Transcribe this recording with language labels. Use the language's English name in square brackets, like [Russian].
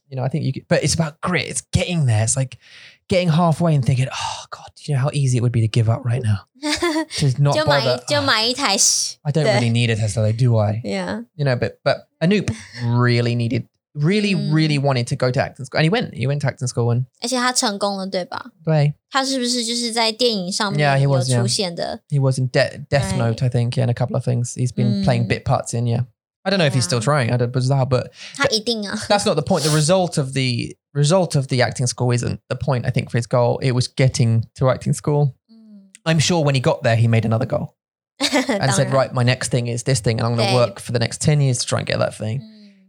[English] You know, I think you could, but it's about grit. It's getting there. It's like getting halfway and thinking, oh God, you know how easy it would be to give up right now. Just not bother. I don't really need a Tesla though, do I? Yeah. You know, but Anoop really needed, really, really wanted to go to acting school. And he went to acting school. And [Chinese] 而且他成功了, 对吧? 对。他是不是就是在电影上面有出现的? [English] Yeah, he was in Death Note, right. I think, yeah, and a couple of things. He's been playing bit parts in, yeah. I don't know if he's still trying. I don't know, bizarre, but that's not the point. The result of the acting school isn't the point, I think, for his goal. It was getting to acting school. I'm sure when he got there, he made another goal and said, right, my next thing is this thing, and I'm going to work for the next 10 years to try and get that thing.